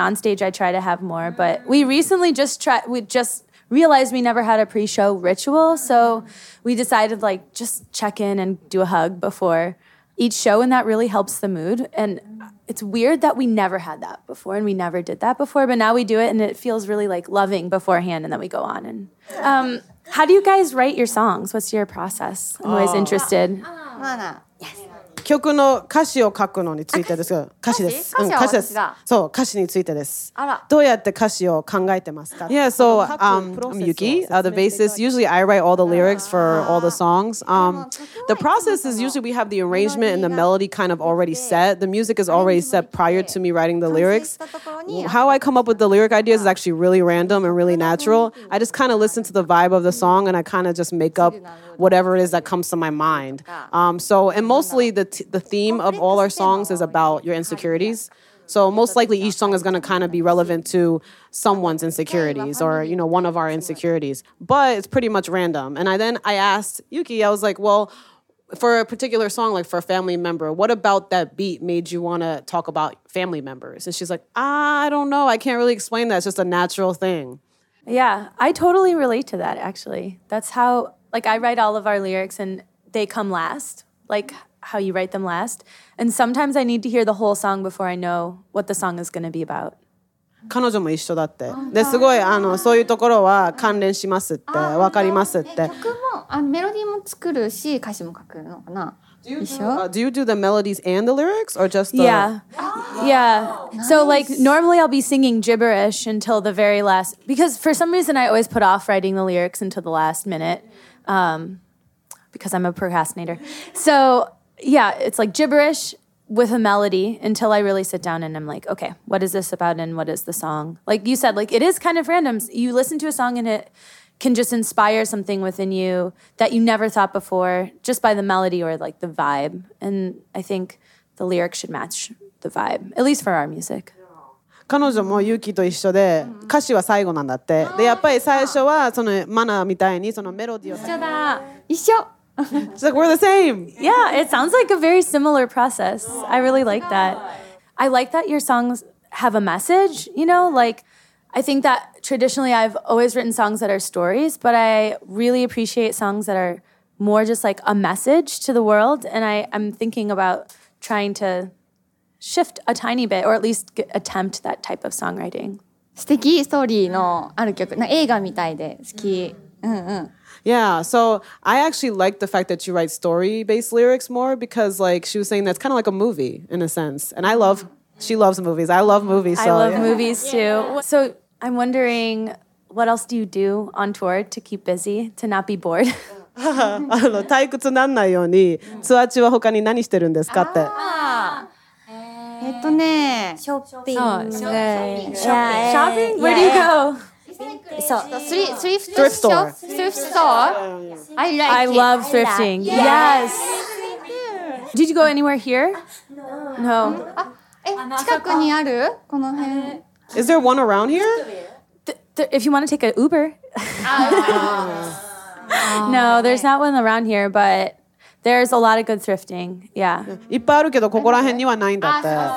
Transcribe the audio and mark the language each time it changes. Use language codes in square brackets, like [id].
[en] On stage, I try to have more. But we recently just realized we never had a pre-show ritual, so we decided like just check in and do a hug before each show, and that really helps the mood. And it's weird that we never had that before and we never did that before, but now we do it and it feels really like loving beforehand, and then we go on. And how do you guys write your songs? What's your process? I'm always interested. Mana. Yes. [ja] 曲の歌詞を書くのについてですが、歌詞です。歌詞、うん、歌詞です。そう、歌詞についてです。あら。どうやって歌詞を考えてますか？ [en] Yeah, so, I'm Yuki, the bassist. Usually I write all the lyrics for all the songs. The process is usually we have the arrangement and the melody kind of already set. The music is already set prior to me writing the lyrics. How I come up with the lyric ideas is actually really random and really natural. I just kind of listen to the vibe of the song and I kind of just make up whatever it is that comes to my mind. So, and mostly the theme of all our songs is about your insecurities. So most likely each song is going to kind of be relevant to someone's insecurities or, you know, one of our insecurities. But it's pretty much random. And I asked Yuki, I was like, well, for a particular song, like for a family member, what about that beat made you want to talk about family members? And she's like, I don't know. I can't really explain that. It's just a natural thing. Yeah, I totally relate to that, actually. That's how, like, I write all of our lyrics and they come last, like how you write them last. And sometimes I need to hear the whole song before I know what the song is going to be about. [ja] 彼女も一緒だって。で、すごい、そういうところは関連しますって、わかりますって。曲も、メロディーも作るし、歌詞も書くのかな。 [en] Do you do the melodies and the lyrics or just the... Yeah. Oh, yeah. Nice. So like normally I'll be singing gibberish until the very last... Because for some reason I always put off writing the lyrics until the last minute because I'm a procrastinator. So yeah, it's like gibberish with a melody until I really sit down and I'm like, okay, what is this about and what is the song? Like you said, like it is kind of random. You listen to a song and it... can just inspire something within you that you never thought before just by the melody or like the vibe. And I think the lyrics should match the vibe, at least for our music. [ja] 彼女もユキと一緒で歌詞は最後なんだって。で、やっぱり最初はそのマナーみたいにそのメロディーを一緒だ。一緒。 [en] It's like, we're the same. Yeah, it sounds like a very similar process. I really like that. I like that your songs have a message, you know, like, I think that traditionally I've always written songs that are stories, but I really appreciate songs that are more just like a message to the world. And I'm thinking about trying to shift a tiny bit or at least attempt that type of songwriting. [ja] 素敵ストーリーのある曲、な映画みたいで好き。 [en] Yeah, so I actually like the fact that you write story-based lyrics more because like she was saying that's kind of like a movie in a sense. And I love... She loves movies. I love movies. So, I love movies too. So I'm wondering, what else do you do on tour to keep busy, to not be bored? [ja] 退屈なんないようにツアー中は他に何してるんですかって。ショッピング。 [en] Where do you go? So thrift store. I love thrifting. Yes. Did you go anywhere here? No. Is there one around here? If you want to take an Uber. No, there's not one around here, but there's a lot of good thrifting. Yeah. [ja] いっぱいあるけどここら辺にはないんだって。